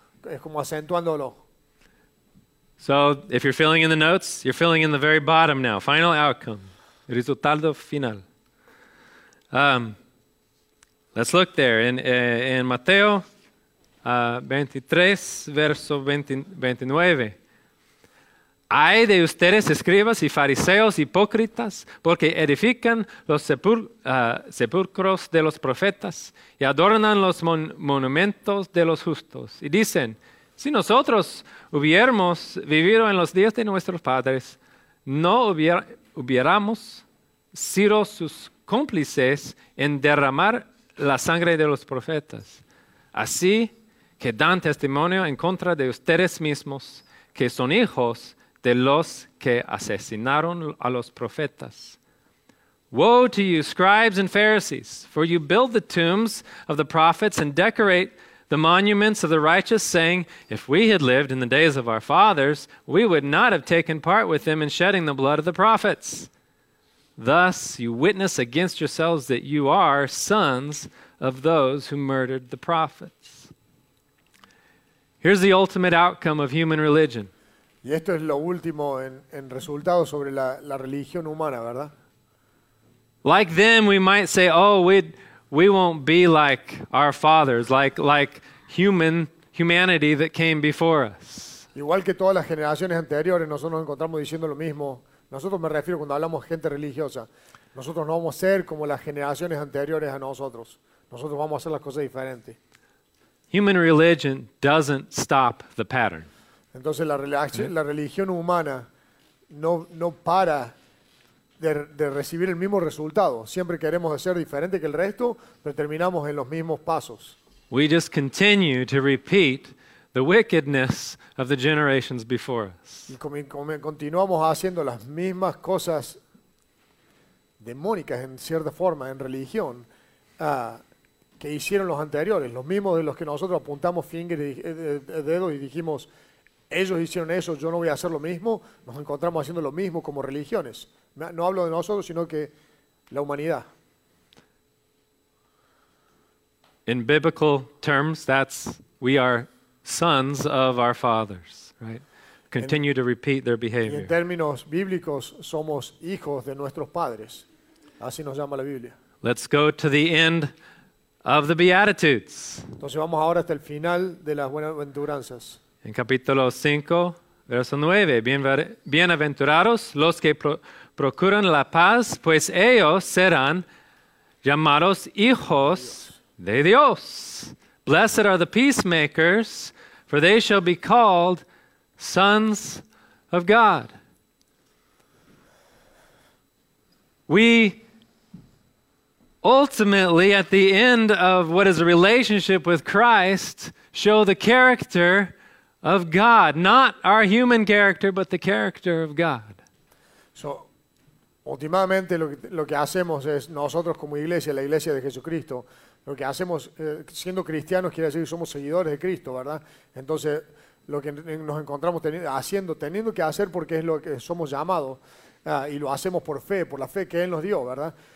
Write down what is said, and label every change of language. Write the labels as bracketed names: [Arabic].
[Spanish] Es como acentuándolo. [English] So if you're filling in the notes, you're filling in the very bottom now. Final outcome, [Spanish] resultado final. [English] Let's look there in Mateo 23, verso 29. [Spanish] Ay de ustedes, escribas y fariseos hipócritas, porque edifican los sepulcros de los profetas y adornan los monumentos de los justos. Y dicen, si nosotros hubiéramos vivido en los días de nuestros padres, no hubiéramos sido sus cómplices en derramar la sangre de los profetas. Así que dan testimonio en contra de ustedes mismos, que son hijos de los que asesinaron a los profetas. [English] Woe to you, scribes and Pharisees, for you build the tombs of the prophets and decorate the monuments of the righteous, saying, if we had lived in the days of our fathers, we would not have taken part with them in shedding the blood of the prophets. Thus you witness against yourselves that you are sons of those who murdered the prophets. Here's the ultimate outcome of human religion. [Spanish] Y esto es lo último en resultado sobre la religión humana, ¿verdad? [English] Like them, we might say, oh, we won't be like our fathers, like humanity that came before us. [Spanish] Igual que todas las generaciones anteriores, nosotros nos encontramos diciendo lo mismo. Nosotros me refiero cuando hablamos de gente religiosa. Nosotros no vamos a ser como las generaciones anteriores a nosotros. Nosotros vamos a hacer las cosas diferentes. [English] Human religion doesn't stop the pattern. [Spanish] Entonces la religión humana no para de recibir el mismo resultado. Siempre queremos ser diferente que el resto, pero terminamos en los mismos pasos. [English] We just continue to repeat the wickedness of the generations before us. [Spanish] Y continuamos haciendo las mismas cosas demónicas en cierta forma en religión que hicieron los anteriores, los mismos de los que nosotros apuntamos dedos y dijimos ellos hicieron eso, yo no voy a hacer lo mismo. Nos encontramos haciendo lo mismo como religiones. No hablo de nosotros, sino que la humanidad. [English] In biblical terms, we are sons of our fathers, right? Continue to repeat their behavior. [Spanish] Y en términos bíblicos, somos hijos de nuestros padres. Así nos llama la Biblia. [English] Let's go to the end of the Beatitudes. [Spanish] Entonces vamos ahora hasta el final de las Buenaventuranzas. En capítulo 5, verso 9, bienaventurados los que procuran la paz, pues ellos serán llamados hijos de Dios. [English] Blessed are the peacemakers, for they shall be called sons of God. We ultimately, at the end of what is a relationship with Christ, show the character of God. Not our human character, but the character of God. So, [Spanish] Últimamente lo que hacemos es nosotros como iglesia, la iglesia de Jesucristo, lo que hacemos siendo cristianos quiere decir que somos seguidores de Cristo, ¿verdad? Entonces, lo que nos encontramos teniendo que hacer porque es lo que somos llamados y lo hacemos por fe, por la fe que Él nos dio, ¿verdad?